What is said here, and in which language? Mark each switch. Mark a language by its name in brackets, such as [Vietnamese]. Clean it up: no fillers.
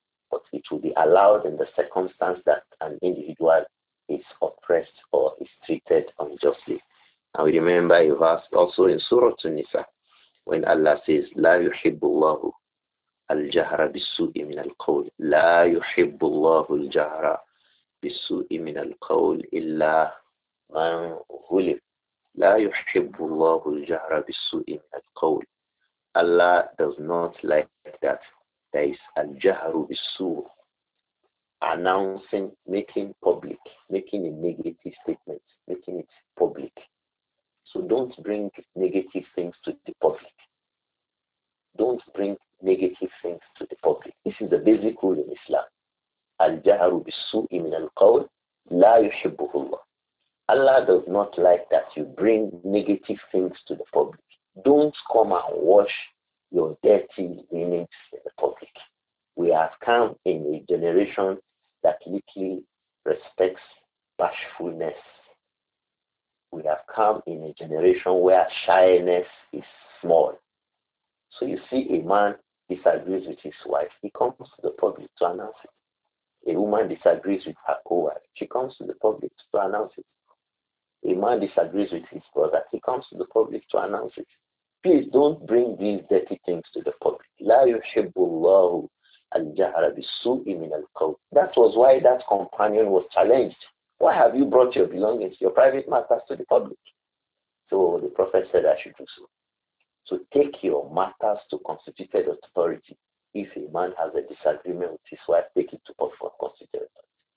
[English] But it will be allowed in the circumstance that an individual is oppressed or is treated unjustly. And we remember a verse also in Surah An-Nisa, when Allah says, [Arabic] لا يحب الله الجهر بالسوء من القول. لا يحب الله الجهر بالسوء من القول إلا من ظلم. لا يحب الله الجهر بالسوء من القول. [English] Allah does not like that. There is [Arabic] الجهر بالسوء. [English] Announcing, making public, making a negative statement, making it public. So don't bring negative things to the public. Don't bring negative things to the public. This is the basic rule in Islam. [Arabic] الجهر بالسوء من القول لا يحبه الله. [English] Allah does not like that you bring negative things to the public. Don't come and wash your dirty linens in the public. We have come in a generation that little respects bashfulness. We have come in a generation where shyness is small. So you see a man disagrees with his wife, he comes to the public to announce it. A woman disagrees with her co-wife, she comes to the public to announce it. A man disagrees with his brother, he comes to the public to announce it. Please don't bring these dirty things to the public. [Arabic] لا يحب الله الجهر بالسوء من القول. [English] That was why that companion was challenged. Why have you brought your belongings, your private matters to the public? So the Prophet said, I should do so. So take your matters to constituted authority. If a man has a disagreement with his wife, take it to constituted authority.